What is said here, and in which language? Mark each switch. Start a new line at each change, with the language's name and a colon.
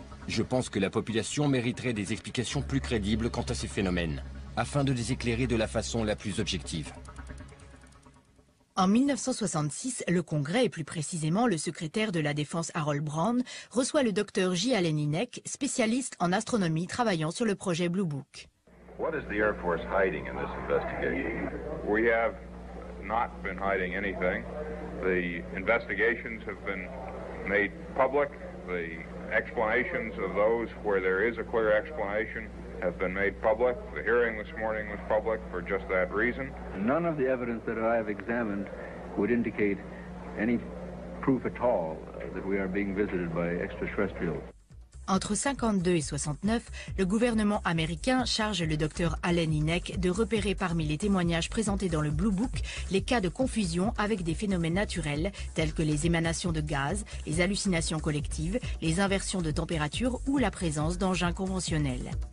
French: Je pense que la population mériterait des explications plus crédibles quant à ces phénomènes, afin de les éclairer de la façon la plus objective. En 1966, le Congrès, et plus précisément le secrétaire de la Défense Harold Brown, reçoit le docteur J. Allen Hynek, spécialiste en astronomie travaillant sur le projet Blue Book.
English: What is the Air Force hiding in this investigation? We have not been hiding anything. The investigations have been made public. The explanations of those where there is a clear explanation have been made public. The hearing this morning was public for just that reason. None of the evidence that I have examined would indicate any proof at all that we are being visited by extraterrestrials.
French: Entre 52 et 69, le gouvernement américain charge le docteur Allen Hynek de repérer parmi les témoignages présentés dans le Blue Book les cas de confusion avec des phénomènes naturels tels que les émanations de gaz, les hallucinations collectives, les inversions de température ou la présence d'engins conventionnels.